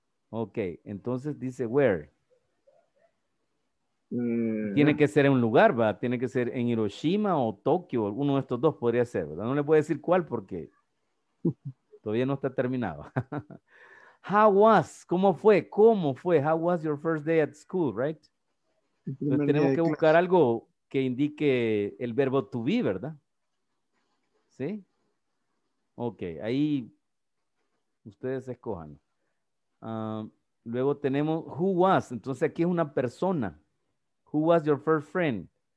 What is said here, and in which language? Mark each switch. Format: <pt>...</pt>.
<es>Ok, entonces dice where. Tiene que ser en un lugar, ¿va? Tiene que ser en Hiroshima o Tokio, alguno de estos dos podría ser, ¿verdad? No le puedo decir cuál porque todavía no está terminado.</es> <en>How was,</en> <es>¿cómo fue? ¿Cómo fue?</es> <en>How was your first day at school, right?</en> <es>Entonces tenemos que buscar algo que indique el verbo to be, ¿verdad? ¿Sí? Ok, ahí ustedes escojan. Luego tenemos who was, entonces aquí es una persona.</es> <en>Who was your first friend?</en>